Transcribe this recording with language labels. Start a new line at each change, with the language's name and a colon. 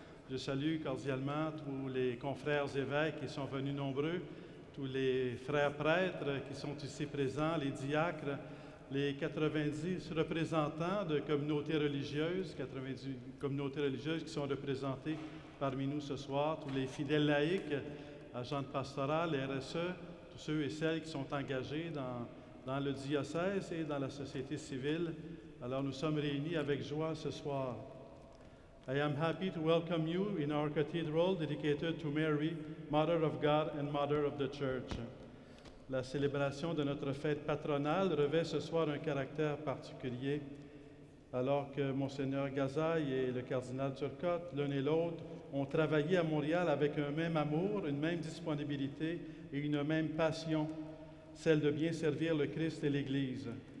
French: je salue cordialement tous les confrères évêques qui sont venus nombreux, tous les frères prêtres qui sont ici présents, les diacres, les 90 représentants de communautés religieuses, 90 communautés religieuses qui sont représentées parmi nous ce soir, tous les fidèles laïcs, agents de pastoral, RSE, tous ceux et celles qui sont engagés dans le diocèse et dans la société civile. Alors, nous sommes réunis avec joie ce soir.
English: I am happy to welcome you in our cathedral dedicated to Mary, Mother of God and Mother of the Church.
French: La célébration de notre fête patronale revêt ce soir un caractère particulier. Alors que Mgr Gazaille et le cardinal Turcotte, l'un et l'autre, ont travaillé à Montréal avec un même amour, une même disponibilité et une même passion, celle de bien servir le Christ et l'Église.